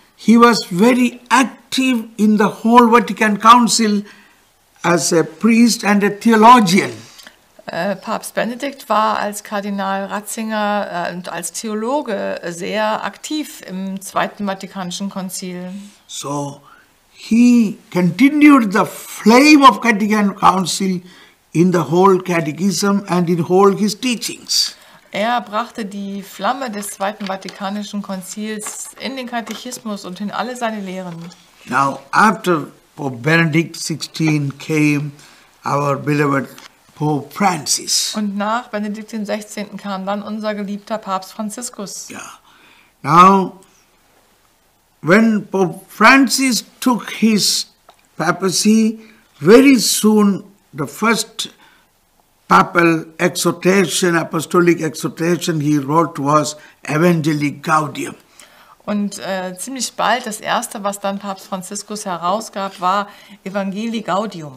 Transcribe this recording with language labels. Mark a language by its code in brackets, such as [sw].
[en] He was very active in the whole Vatican Council as a priest and a theologian. [de] Papst Benedikt war als Kardinal Ratzinger und als Theologe sehr aktiv im Zweiten Vatikanischen Konzil. [en] So he continued the flame of Vatican Council in the whole catechism and in all his teachings. [de] Er brachte die Flamme des Zweiten Vatikanischen Konzils in den Katechismus und in alle seine Lehren. [en] Now, after Pope Benedict XVI came our beloved Pope Francis. [de] Und nach Benedikt XVI. Kam dann unser geliebter Papst Franziskus. Yeah. [en] Now, when Pope Francis took his papacy, very soon the first Papal exhortation, apostolic exhortation he wrote was Evangelii Gaudium. [de] Und ziemlich bald das erste, was dann Papst Franziskus herausgab, war Evangelii Gaudium.